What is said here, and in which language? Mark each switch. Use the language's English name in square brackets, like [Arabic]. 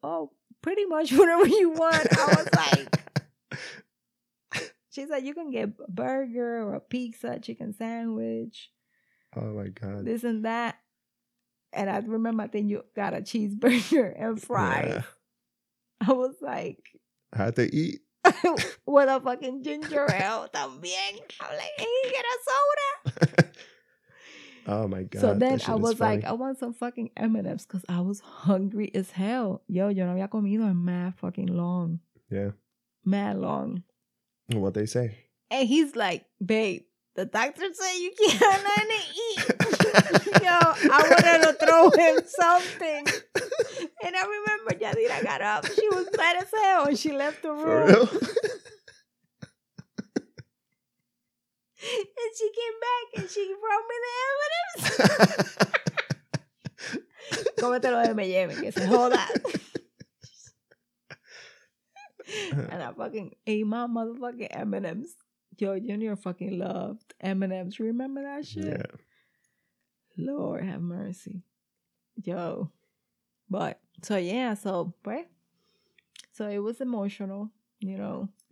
[English] Oh, pretty much whatever you want. I was like. She's like, you can get a burger or a pizza, chicken sandwich. Oh my God. This and that. And I remember, I think you got a cheeseburger and fries. Yeah. I was like, I had to eat. With a fucking ginger ale, también. I'm like, hey, get a soda. Oh my God. So then I was like, I want some fucking M&M's because I was hungry as hell. [Spanish] Yo, yo no había comido en [English] mad fucking long. Yeah. Mad long. What they say. And he's like, babe, the doctor said you can't have nothing to eat. Yo, I wanted to throw him something. And I remember Yadira got up. She was mad as hell and she left the room. For real? And she came back and she brought me the evidence. [Spanish] Cómete lo de me lleve, que se joda. [English] And I fucking ate my motherfucking M&M's. Yo, Junior fucking loved M&M's. Remember that shit? Yeah. Lord have mercy. Yo. But, so yeah, so, right? So it was emotional, you know.